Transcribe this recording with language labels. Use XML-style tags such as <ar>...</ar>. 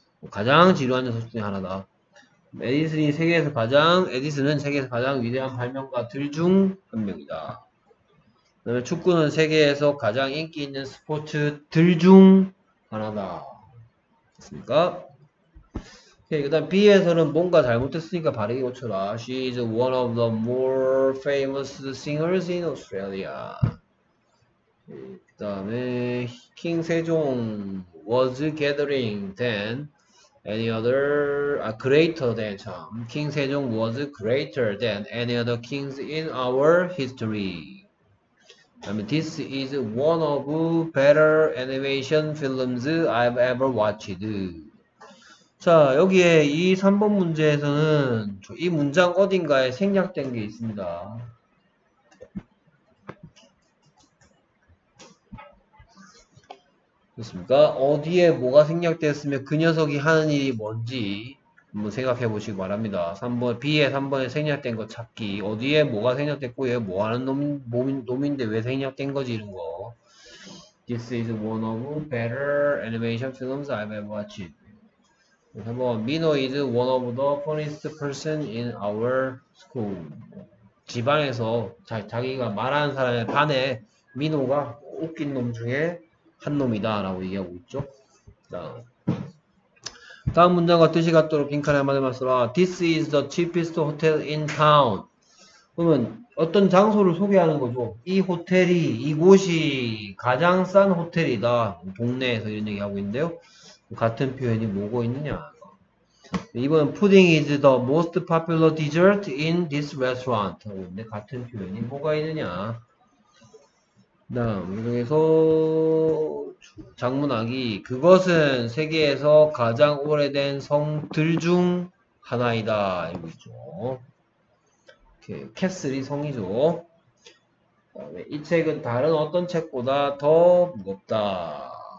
<ko>가장 지루한 녀석 중에 하나다. 에디슨은 세계에서 가장 위대한 발명가들 중한 명이다. 그다음에 축구는 세계에서 가장 인기 있는 스포츠들 중 하나다. 맞습니까? 오케이. 그다음 B에서는 뭔가 잘못됐으니까 바르게 고쳐라.</ko> <en>She is one of the more famous singers in Australia.</en> <ko>그 다음에</ko> <en>킹 세종 was gathering than any other, greater than, 참. 킹 세종 was greater than any other kings in our history.</en> <ko>그 다음에</ko> <en>this is one of better animation films I've ever watched.</en> <ko>자, 여기에 이 3번 문제에서는 이 문장 어딘가에 생략된 게 있습니다. 그렇습니까? 어디에 뭐가 생략되었으며 그 녀석이 하는 일이 뭔지 한번 생각해 보시기 바랍니다. 3번, B의 3번에 생략된 거 찾기. 어디에 뭐가 생략됐고, 얘뭐 하는 놈인데 왜 생략된 거지, 이런 거.</ko> <en>This is one of better animation films I've ever watched. 3번, Mino is one of the funniest person in our school.</en> <ko>지방에서 자기가 말하는 사람의 반에 민호가 웃긴 놈 중에 한 놈이다라고 얘기하고 있죠. 다음 문장과 뜻이 같도록 빈칸에 한마디만 써라.</ko> <en>This is the cheapest hotel in town.</en> <ko>그러면 어떤 장소를 소개하는 거죠? 이 호텔이, 이곳이 가장 싼 호텔이다. 동네에서 이런 얘기 하고 있는데요. 같은 표현이 뭐고 있느냐. 이번엔</ko> <en>pudding is the most popular dessert in this restaurant.</en> <ko>근데 같은 표현이 뭐가 있느냐. 다음, 여기서 장문하기. 그것은 세계에서 가장 오래된 성들 중 하나이다. 이거죠. 캐슬이 성이죠. 그다음에 이 책은 다른 어떤 책보다 더 무겁다.</ko>